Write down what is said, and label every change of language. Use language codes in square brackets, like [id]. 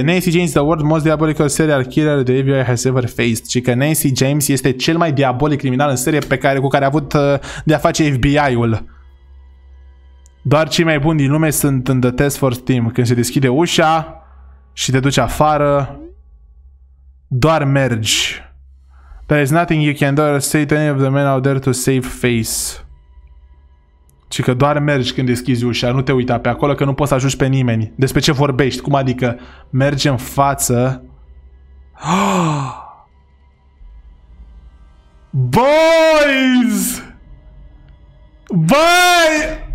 [en] Nancy James, the world most diabolical serial killer the FBI has ever faced. [ro] Și că Nancy James este cel mai diabolic criminal în serie pe care, cu care a avut de-a face FBI-ul. Doar cei mai buni din lume sunt în The Task Force Team. Când se deschide ușa și te duci afară, doar mergi. [en] There is nothing you can do or say to any of the men out there to save face. [ro] Ci că doar mergi când deschizi ușa, nu te uita pe acolo, că nu poți să ajungi pe nimeni. Despre ce vorbești? Cum adică? Mergi în față. Boys! Băi!